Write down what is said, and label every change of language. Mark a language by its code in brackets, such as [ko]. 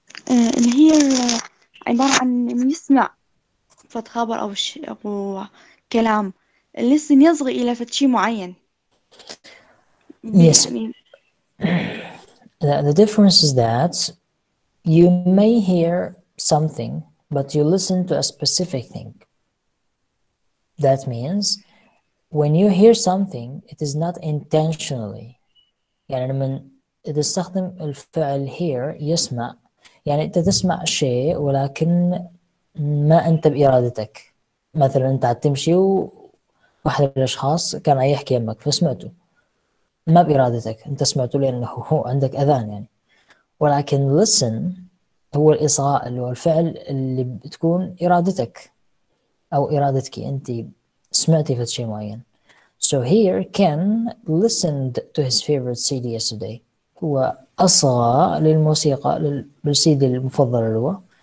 [ar] اللي هي عبارة عن من يسمع فد خبر أو شيء أو كلام لسه يصغي إلى فد شيء معين [en] Yes. [ar] يعني [en] The difference is that you may hear something, but you listen to a specific thing. That means when you hear something, it is not intentionally. [ar] يعني لما تستخدم الفعل hear يسمع يعني انت تسمع شيء ولكن ما انت بارادتك مثلا انت تمشي وواحد من الاشخاص كان يحكي يمك فسمعته ما بارادتك انت سمعته لانه هو عندك اذان يعني ولكن listen هو الاصغاء اللي هو الفعل اللي بتكون ارادتك او ارادتك انت سمعتي في شيء معين [en] so here Ken listened to his favorite CD yesterday [ar] هو أصغى للموسيقى للسيد المفضل له